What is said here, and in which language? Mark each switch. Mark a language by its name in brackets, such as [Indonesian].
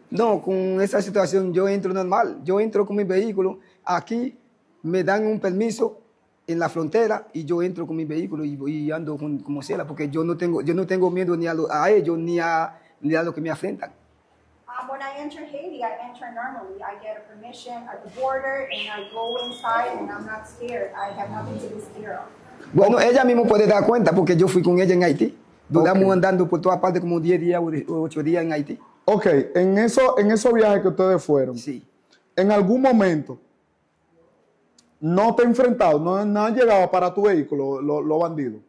[Spanish] No, con esa situación yo entro normal. Yo entro con mi vehículo. Aquí me dan un permiso en la frontera y yo entro con mi vehículo y ando como sea, porque yo no tengo miedo ni a ellos ni a lo que me afrentan. [English] When I enter Haiti, I enter normally. I get a permission at the border and I go inside and I'm not scared. I have nothing to be scared of. [Spanish] Bueno, ella misma puede dar cuenta porque yo fui con ella en Haití. Duramos okay. Andando por todas partes como 10 días o 8 días en Haití. Ok, en esos viajes que ustedes fueron, sí. ¿En algún momento no te he enfrentado, no han llegado para tu vehículo los bandidos?